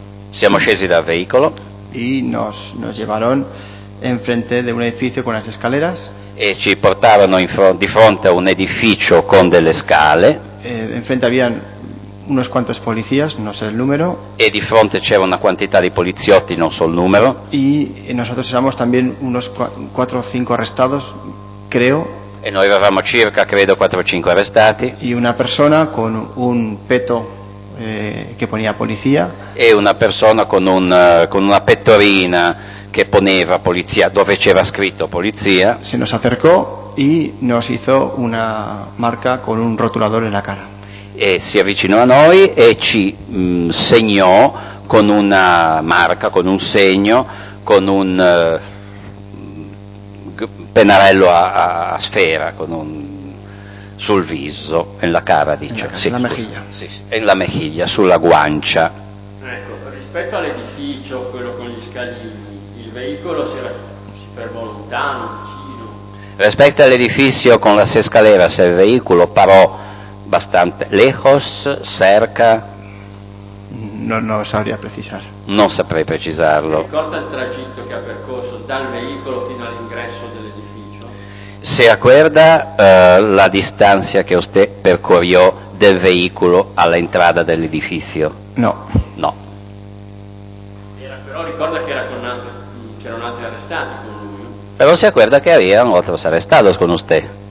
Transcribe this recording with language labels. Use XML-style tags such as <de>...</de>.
<it>Siamo scesi dal veicolo.</it> <es>Y nos llevaron enfrente de un edificio con las escaleras.</es> <it>E ci portavano di fronte a un edificio con delle scale.</it> <es>Enfrente habían unos cuantos policías, no sé el número.</es> <it>E di fronte c'era una quantità di poliziotti, non so il numero.</it> <es>Y nosotros éramos también unos 4 o 5 arrestados, creo.</es> <it>E noi eravamo circa, credo, 4 o 5 arrestati.</it> <es>Y una persona con un peto</es> <it>che poneva polizia. E una persona con una pettorina che poneva polizia, dove c'era scritto polizia.</it> <es>Se nos acercò e nos hizo una marca con un rotulador en la cara.</es> <it>E si avvicinò a noi e ci segnò con una marca, con un segno, con un pennarello a sfera, con un... sul viso,</it> <es>en la cara, dice. La mejilla.</es> <it>Sì,</it> <es>en la mejilla,</es> <it>sulla guancia. Ecco, rispetto all'edificio, quello con gli scalini, il veicolo si fermò lontano, vicino.</it> <es>Rispetto all'edificio con la escalera, se il veicolo parò bastante lejos, cerca.</es> <it>Non saprei precisare. Non saprei precisarlo. Ricorda il tragitto che ha percorso dal veicolo fino all'ingresso dell'edificio?</it> <es>Se acuerda la distancia que usted percorrió del vehículo a la entrada del edificio? No. No. Pero recuerda que</es> <it>c'erano altri arrestati con lui.</it> <es>Pero se acuerda que habían otros arrestados con usted?</es>